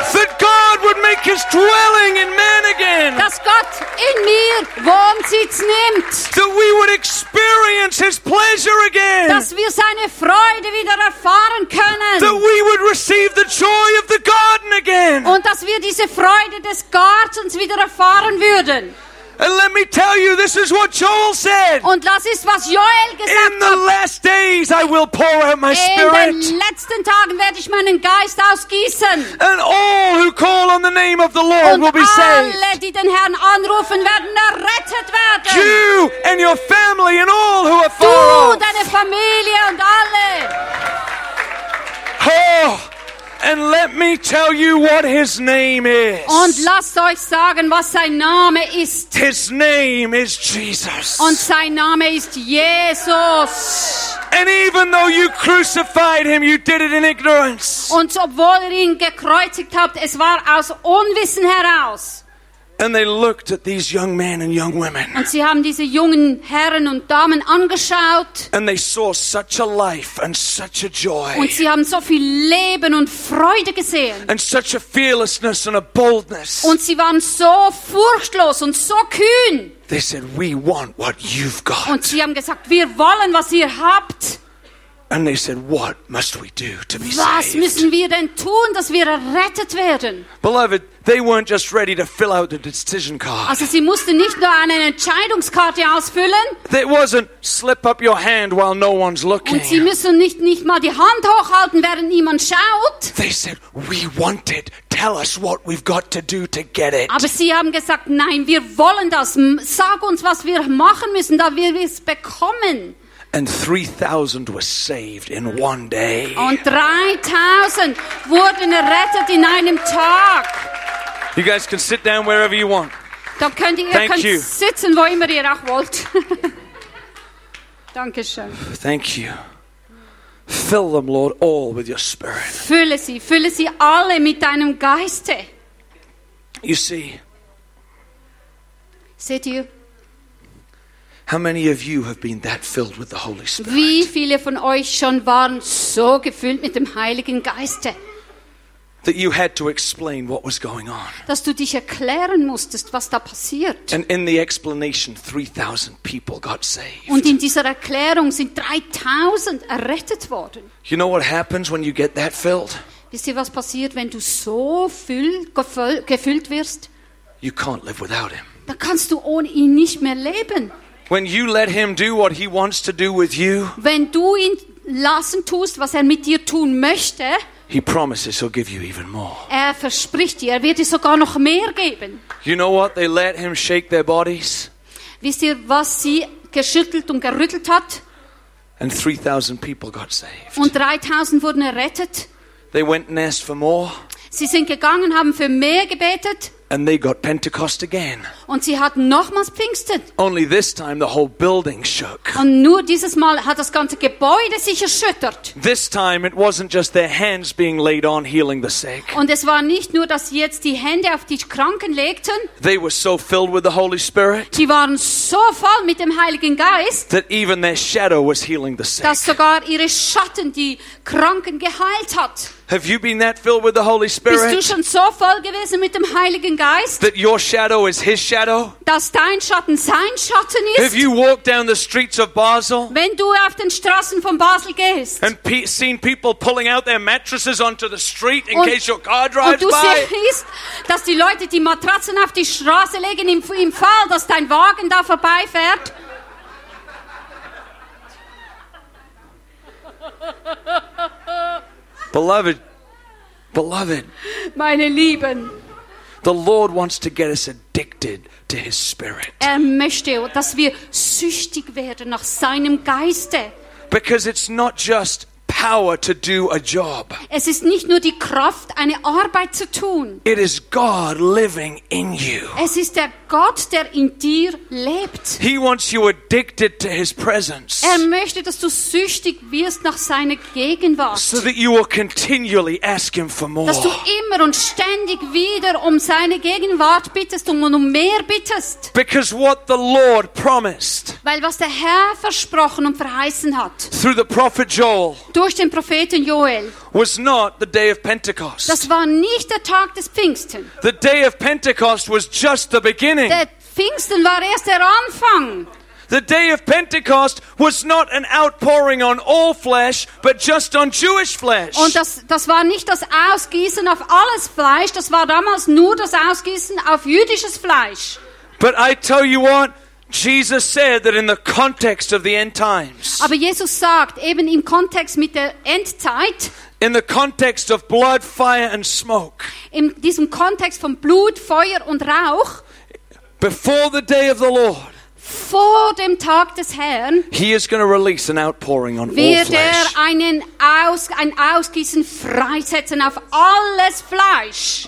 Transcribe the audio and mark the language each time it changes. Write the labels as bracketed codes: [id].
[en] That God would make his dwelling in man again. [de] Dass Gott in mir Wohnsitz nimmt. [en] That we would experience his pleasure again. [de] Dass wir seine Freude wieder erfahren können. [en] That we would receive the joy of the garden again. [de] Und dass wir diese Freude des Gartens wieder erfahren würden. [en] And let me tell you, this is what Joel said. [de] Und das ist, was Joel gesagt hat. [en] In the last days I will pour out my spirit. [de] In den letzten Tagen werde ich meinen Geist ausgießen. [en] And all who call on the name of the Lord will be saved. [de] Und alle, die den Herrn anrufen, werden errettet werden. [en] You and your family and all who are far off. [de] Du, deine Familie und alle. [en] Oh, and let me tell you what his name is. [de] Und lasst euch sagen, was sein Name ist. [en] His name is Jesus. [de] Und sein Name ist Jesus. [en] And even though you crucified him, you did it in ignorance. [de] Und obwohl ihr ihn gekreuzigt habt, es war aus Unwissen heraus. [en] And they looked at these young men and young women. [de] Und sie haben diese jungen Herren und Damen angeschaut. [en] And they saw such a life and such a joy. [de] Und sie haben so viel Leben und Freude gesehen. [en] And such a fearlessness and a boldness. [de] Und sie waren so furchtlos und so kühn. [en] They said, "We want what you've got." [de] Und sie haben gesagt, wir wollen, was ihr habt. [en] And they said, "What must we do to be [de] was Was müssen wir denn tun, dass wir errettet werden? [en] Beloved, they weren't just ready to fill out the decision card. [de] Also sie mussten nicht nur eine Entscheidungskarte ausfüllen. [en] It wasn't slip up your hand while no one's looking. [de] Und sie müssen nicht mal die Hand hochhalten, während niemand schaut. [en] They said, "We want it. Tell us what we've got to do to get it." [de] Aber sie haben gesagt, nein, wir wollen das. Sag uns, was wir machen müssen, da wir es bekommen. [en] And 3,000 were saved in one day. [de] Und 3,000 wurden errettet in einem Tag. [en] You guys can sit down wherever you want. [de] Dann könnt ihr [en] Thank [de] könnt [en] you. [de] Sitzen, wo immer ihr auch wollt. Danke schön. [en] Thank you. Fill them, Lord, all with your spirit. [de] Fülle sie alle mit deinem Geiste. [en] You see. [de] Seht ihr? [en] How many of you have been that filled with the Holy Spirit? [de] Wie viele von euch schon waren so gefüllt mit dem Heiligen Geiste? [en] That you had to explain what was going on. [de] Dass du dich erklären musstest, was da passiert. [en] And in the explanation, 3,000 people got saved. [de] Und in dieser Erklärung sind 3,000 errettet worden. [en] You know what happens when you get that filled? [de] Wisst ihr, was passiert, wenn du so gefüllt wirst? [en] You can't live without him. [de] Da kannst du ohne ihn nicht mehr leben. [en] When you let him do what he wants to do with you, [de] wenn du ihn lassen tust, was er mit dir tun möchte, [en] he promises he'll give you even more. [de] Er verspricht dir, er wird dir sogar noch mehr geben. [en] You know what? They let him shake their bodies. [de] Wisst ihr, was sie geschüttelt und gerüttelt hat? [en] And 3,000 people got saved. [de] Und 3,000 wurden errettet. [en] They went and asked for more. [de] Sie sind gegangen, haben für mehr gebetet. [en] And they got Pentecost again. [de] Und sie hatten nochmals Pfingsten. [en] Only this time the whole building shook. [de] Und nur dieses Mal hat das ganze Gebäude sich erschüttert. [en] This time it wasn't just their hands being laid on healing the sick. [de] Und es war nicht nur, dass sie jetzt die Hände auf die Kranken legten. [en] They were so filled with the Holy Spirit. [de] Sie waren so voll mit dem Heiligen Geist. [en] That even their shadow was healing the sick. [de] Dass sogar ihre Schatten die Kranken geheilt hat. [en] Have you been that filled with the Holy Spirit? [de] Bist du schon so voll gewesen mit dem Heiligen Geist? [en] That your shadow is His shadow? [de] Dass dein Schatten sein Schatten ist? [en] Have you walked down the streets of Basel? [de] Wenn du auf den Straßen von Basel gehst? [en] And seen people pulling out their mattresses onto the street in case your car drives by? [de] Und du siehst, dass die Leute die Matratzen auf die Straße legen im Fall, dass dein Wagen da vorbeifährt? [en] Beloved, [de] meine Lieben, [en] the Lord wants to get us addicted to His Spirit. [de] Er möchte, dass wir süchtig werden nach seinem Geiste. [en] Because it's not just power to do a job. [de] Es ist nicht nur die Kraft, eine Arbeit zu tun. [en] It is God living in you. [de] Es ist der Gott, der in dir lebt. [en] He wants you addicted to His presence. [de] Er möchte, dass du süchtig wirst nach seiner Gegenwart. [en] So that you will continually ask Him for more. [de] Dass du immer und ständig wieder um seine Gegenwart bittest und um mehr bittest. [en] Because what the Lord promised. [de] Weil was der Herr versprochen und verheißen hat. [en] Through the prophet Joel. [de] Durch den Propheten Joel. [en] Was not the day of Pentecost. [de] Das war nicht der Tag des Pfingsten. [en] The day of Pentecost was just the beginning. [de] Der Pfingsten war erst der Anfang. [en] The day of Pentecost was not an outpouring on all flesh, but just on Jewish flesh. [de] Und das war nicht das Ausgießen auf alles Fleisch, das war damals nur das Ausgießen auf jüdisches Fleisch. [en] But I tell you what, Jesus said that in the context of the end times. [de] Aber Jesus sagt eben im Kontext mit der Endzeit. [en] In the context of blood, fire and smoke. [de] In diesem Kontext von Blut, Feuer und Rauch. [en] Before the day of the Lord. [de] Vor dem Tag des Herrn. [en] He is going to release an outpouring on all flesh. [de] Wird er ein Ausgießen freisetzen auf alles Fleisch.